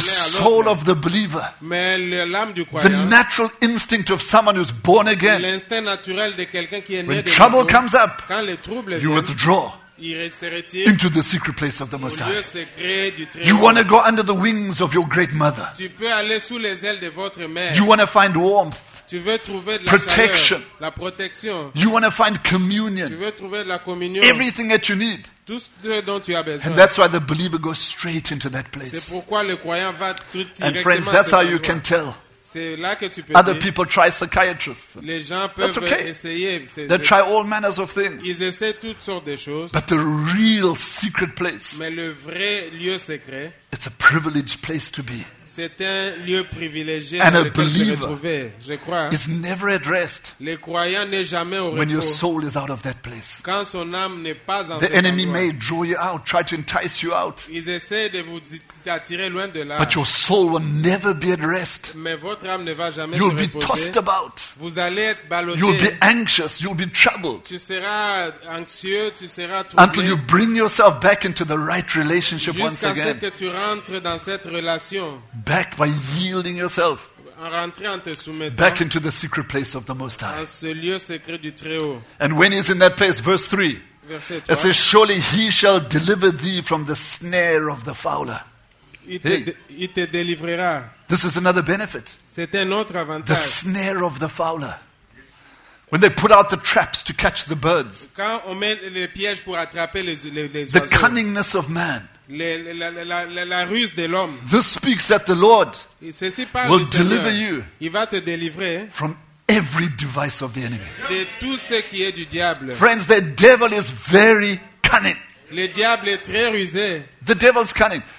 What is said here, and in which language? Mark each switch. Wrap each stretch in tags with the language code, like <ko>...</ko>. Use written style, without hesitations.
<en>Soul of the believer,</en> <fr>mais l'âme du croyant,</fr> <en>the natural instinct of someone who's born again,</en> <fr>l'instinct naturel de quelqu'un qui est né</fr> <en>when</en> <fr>de</fr> <en>trouble</en> <fr>nouveau,</fr> <en>comes up,</en> <fr>quand les troubles</fr> <en>you</en> <fr>viennent,</fr> <en>withdraw. Into the secret place of the Most High. You want to go under the wings of your great mother.</en> <fr>Tu peux aller sous les ailes de votre mère.</fr> <en>You want to find warmth.</en> <fr>Tu veux trouver de la protection. Chaleur, la protection.</fr> <en>You want to find communion.</en> <fr>Tu veux trouver de la communion.</fr> <en>Everything that you need.</en> <fr>Tout ce dont tu as besoin.</fr> <en>And that's why the believer goes straight into that place.</en> <fr>C'est pourquoi le croyant va directement.</fr> <en>And friends, that's how you can tell.</en> <fr>C'est là que tu peux</fr> <en>other</en> <fr>dire.</fr> <en>People try psychiatrists.</en> <fr>Les gens peuvent</fr> <en>that's okay.</en> <fr>Essayer.</fr> <en>They try all manners of things.</en> <fr>Ils essaient toutes sortes de choses.</fr> <en>But the real secret place.</en> <fr>Mais le vrai lieu secret.</fr> <en>It's a privileged place to be.</en> <fr>C'est un lieu privilégié</fr> <en>and</en> <fr>dans</fr> <en>a believer</en> <fr>se retrouver, je crois.</fr> <en>Is never at rest.</en> <fr>Le croyant n'est jamais au repos.</fr> <en>When your soul is out of that place.</en> <fr>Quand son âme n'est pas en</fr> <en>the</en> <fr>cet</fr> <en>enemy</en> <fr>endroit.</fr> <en>May draw you out, try to entice you out.</en> <fr>Ils essaient de vous attirer loin de là.</fr> <en>But your soul will never be at rest.</en> <fr>Mais votre âme ne va jamais</fr> <en>you'll</en> <fr>se</fr> <en>be</en> <fr>reposer.</fr> <en>Tossed about.</en> <fr>Vous allez être ballotté.</fr> <en>You'll be anxious. You'll be troubled.</en> <fr>Tu seras anxieux. Tu seras troublé.</fr> <en>Until you bring yourself back into the right relationship</en> <fr>jusqu'à</fr> <en>once again.</en> <fr>Jusqu'à ce que tu rentres dans cette relation.</fr> <en>Back by yielding yourself</en> <fr>en te soumettant</fr> <en>back into the secret place of the Most High.</en> <fr>À ce lieu secret du Très-Haut.</fr> <en>And when he's in that place, verse 3,</en> <fr>verset 3,</fr> <en>it says, surely he shall deliver thee from the snare of the fowler.</en> <fr>Il te délivrera.</fr> <en>This is another benefit.</en> <fr>C'est un autre avantage.</fr> <en>The snare of the fowler. When they put out the traps to catch the birds.</en> <fr>Quand on met les pièges pour attraper les oiseaux.</fr> <en>The cunningness of man.</en> <fr>La ruse de l'homme.</fr> <en>This speaks that the Lord will deliver you.</en> <fr>Il va te délivrer</fr> <en>from every device of the enemy.</en> <fr>De tout ce qui est du diable.</fr> <en>Friends, the devil is very cunning.</en> <fr>Le diable est très rusé.</fr> <en>The devil's cunning.</en>